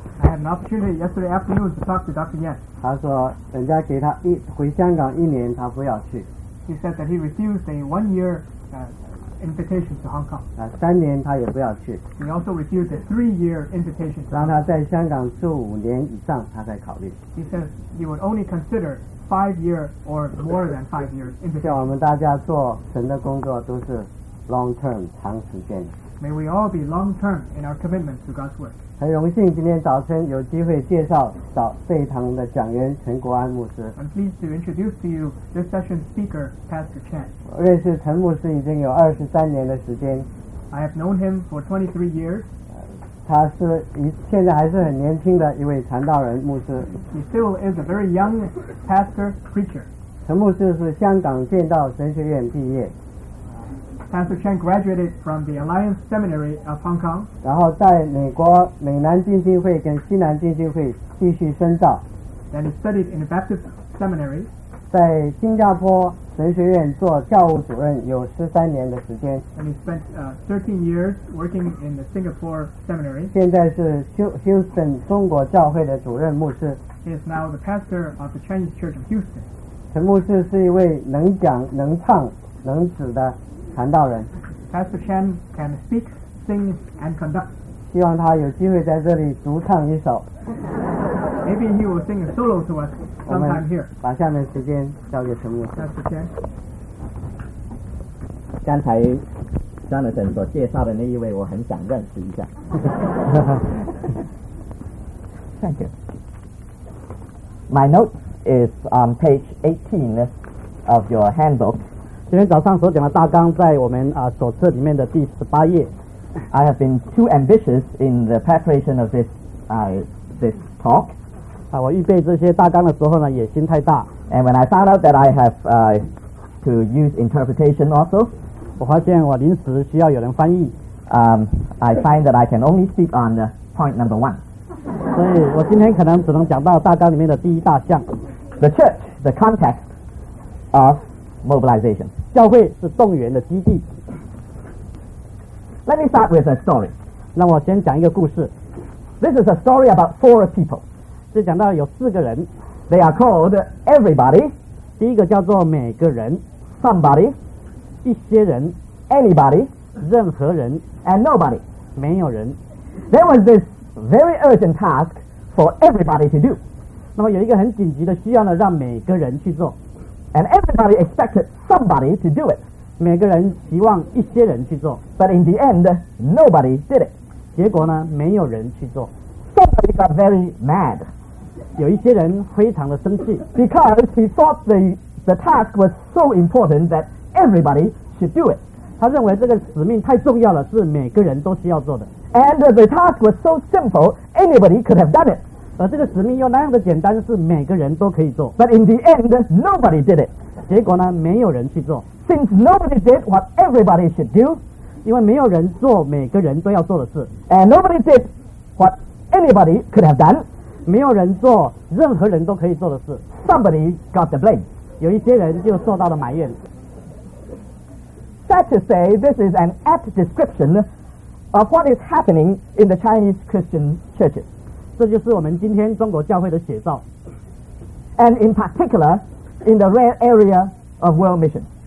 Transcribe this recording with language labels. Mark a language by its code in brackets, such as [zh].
[en] I had an opportunity yesterday afternoon to talk to Dr. Yen. [zh] 他说人家给他一回香港一年他不要去。 [en] He said that he refused a one-year invitation to Hong Kong. [zh] 三年他也不要去。 [en] He also refused a three-year invitation to Hong Kong. [zh] 让他在香港住五年以上他才考虑。 [en] He says he would only consider five-year or more than five-year invitation. [zh] 像我们大家做神的工作都是 long-term, 长时间。 [en] May we all be long-term in our commitment to God's work. [zh] 很荣幸今天早晨有机会介绍到这一堂的讲员陈国安牧师。 [en] I'm pleased to introduce to you this session speaker, Pastor Chan. [zh] 我认识陈牧师已经有23年的时间。 [en] I have known him for 23 years. [zh] 他是现在还是很年轻的一位传道人牧师。 [en] He still is a very young pastor preacher. [zh] 陈牧师是香港剑道神学院毕业。 [en] Pastor Chan graduated from the Alliance Seminary of Hong Kong. [zh] 然后在美国美南浸信会跟西南浸信会继续深造。 [en] Then he studied in the Baptist Seminary. [zh] 在新加坡神学院做教务主任有13年的时间。 [en] And he spent 13 years working in the Singapore Seminary. [zh] 现在是 Houston 中国教会的主任牧师。 [en] He is now the pastor of the Chinese Church of Houston. [zh] 陈牧师是一位能讲能唱能指的传道人。 [en] Pastor Chan can speak, sing, and conduct. [zh] 希望他有机会在这里独唱一首。 [en] Maybe he will sing a solo to us sometime here. [zh] 把下面时间交给陈牧师。 [en] Pastor Chan， [zh] 刚才张德成所介绍的那一位，我很想认识一下。 [en] Thank you. My note is on page 18 of your handbook. [zh] 今天早上所讲的大纲在我们手册里面的第18页。 [en] I have been too ambitious in the preparation of this talk. [zh] 我预备这些大纲的时候呢，野心太大。 [en] And when I found out that I have to use interpretation also, [zh] 我发现我临时需要有人翻译。 [en] I find that I can only speak on point number one. [zh] 所以我今天可能只能讲到大纲里面的第一大项。 [en] The church, the context of mobilization. [zh] 教会是动员的基地。 [en] Let me start with a story. [zh] 让我先讲一个故事。 [en] This is a story about four people. [zh] 是讲到有四个人。 [en] They are called everybody. [zh] 第一个叫做每个人。 [en] Somebody. [zh] 一些人。 [en] Anybody. [zh] 任何人。 [en] And nobody. [zh] 没有人。 [en] There was this very urgent task for everybody to do. [zh] 那么有一个很紧急的需要呢，让每个人去做。 [en] And everybody expected somebody to do it. [zh] 每个人希望一些人去做。 [en] But in the end, nobody did it. [zh] 结果呢，没有人去做。 [en] Somebody got very mad. [zh] 有一些人非常的生气。 [en] Because he thought the task was so important that everybody should do it. [zh] 他认为这个使命太重要了，是每个人都需要做的。 [en] And the task was so simple, anybody could have done it. [zh] 而这个使命又那样的简单，是每个人都可以做。 [en] But in the end, nobody did it. [zh] 结果呢，没有人去做。 [en] Since nobody did what everybody should do, [zh] 因为没有人做每个人都要做的事。 [en] And nobody did what anybody could have done, [zh] 没有人做任何人都可以做的事。 [en] Somebody got the blame. [zh] 有一些人就受到了埋怨。 [en] That to say, this is an apt description of what is happening in the Chinese Christian churches. [zh] 这就是我们今天中国教会的写照。 [en] And in particular, in the rare area of world mission,